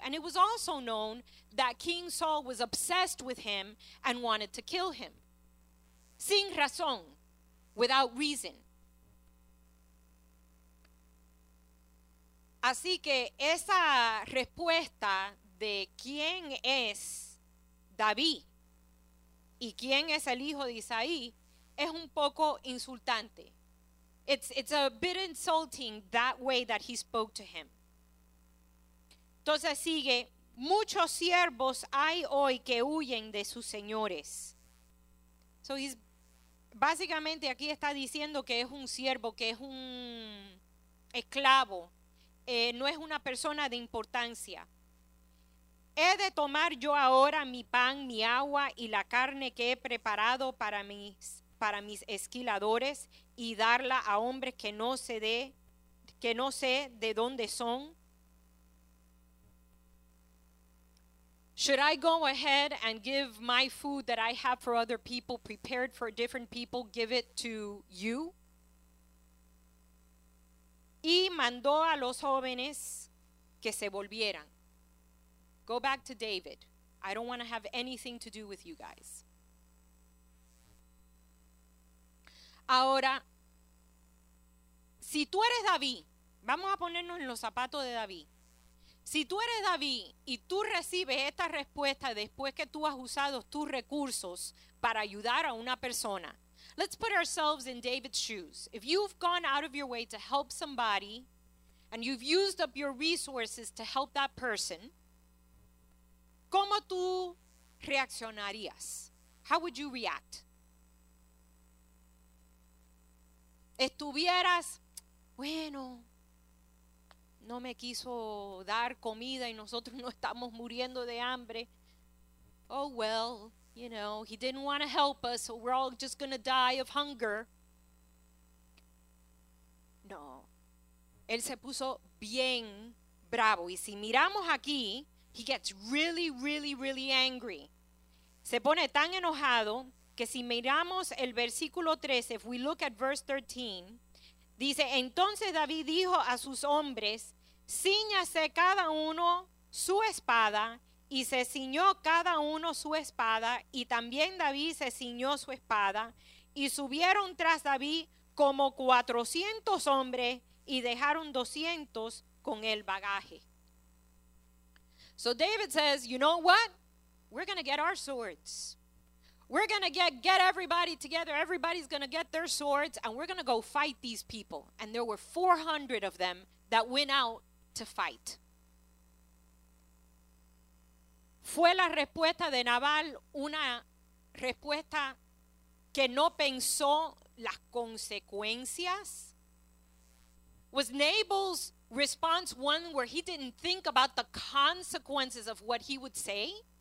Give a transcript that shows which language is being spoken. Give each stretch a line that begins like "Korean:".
English: And it was also known that King Saul was obsessed with him and wanted to kill him.
Spanish: Sin razón,
English: without reason.
Spanish: Así que esa respuesta de quién es David y quién es el hijo de Isaí es un poco insultante.
English: It's a bit insulting that way that he spoke to him.
Spanish: Entonces sigue, muchos siervos hay hoy que huyen de sus señores.
English: So he's
Spanish: básicamente aquí está diciendo que es un siervo, que es un esclavo. No es una persona de importancia. He de tomar yo ahora mi pan, mi agua y la carne que he preparado para mis esquiladores y darla a hombres que no sé de dónde son.
English: Should I go ahead and give my food that I have for other people, prepared for different people, give it to you?
Spanish: Y mandó a los jóvenes que se volvieran.
English: Go back to David. I don't want to have anything to do with you guys.
Spanish: Ahora, si tú eres David, vamos a ponernos en los zapatos de David. Si tú eres David y tú recibes esta respuesta después que tú has usado tus recursos para ayudar a una persona,
English: let's put ourselves in David's shoes. If you've gone out of your way to help somebody and you've used up your resources to help that person,
Spanish: ¿cómo tú reaccionarías?
English: How would you react?
Spanish: Estuvieras, bueno, no me quiso dar comida y nosotros no estamos muriendo de hambre.
English: Oh, well. You know, he didn't want to help us, so we're all just going to die of hunger.
Spanish: No. Él se puso bien bravo. Y si miramos aquí,
English: he gets really, really, really angry.
Spanish: Se pone tan enojado que si miramos el versículo 13,
English: if we look at verse 13,
Spanish: dice, entonces David dijo a sus hombres, ciñase cada uno su espada. Y se ciñó cada uno su espada, y también David se ciñó su espada, y subieron tras David como 400 hombres, y dejaron 200 con el bagaje.
English: So David says, you know what? We're going to get our swords. We're going to get everybody together. Everybody's going to get their swords, and we're going to go fight these people. And there were 400 of them that went out to fight.
Spanish: ¿Fue la respuesta de Nabal una respuesta que no pensó las consecuencias?
English: was Nabal's response one where he didn't think about the consequences of what he would say?